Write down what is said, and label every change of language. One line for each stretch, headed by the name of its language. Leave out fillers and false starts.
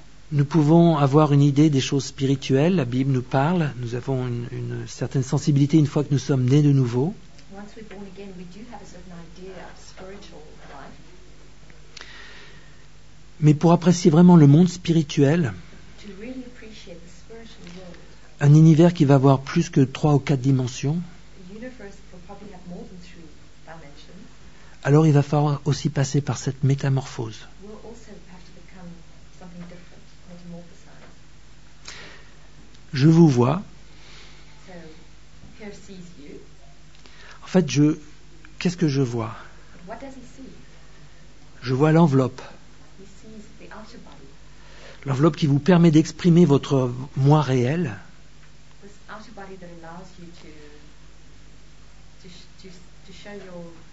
French: Nous pouvons avoir une idée des choses spirituelles, la Bible nous parle, nous avons une certaine sensibilité une fois que nous sommes nés de nouveau.
English: Once we're born again, we do have a certain idea of spiritual life.
French: Mais pour apprécier vraiment le monde spirituel,
English: to really appreciate the spiritual world,
French: un univers qui va avoir plus que 3 ou 4 dimensions,
English: a universe will probably have more than 3 dimensions,
French: alors il va falloir aussi passer par cette métamorphose.
English: We'll also have to become something different, metamorphosized.
French: Je vous vois.
English: So, Pierre sees.
French: En fait, qu'est-ce que je vois ?
English: What does he see ?
French: Je vois l'enveloppe.
English: He sees the outer body.
French: L'enveloppe qui vous permet d'exprimer votre moi réel.
English: This outer body that allows you to show your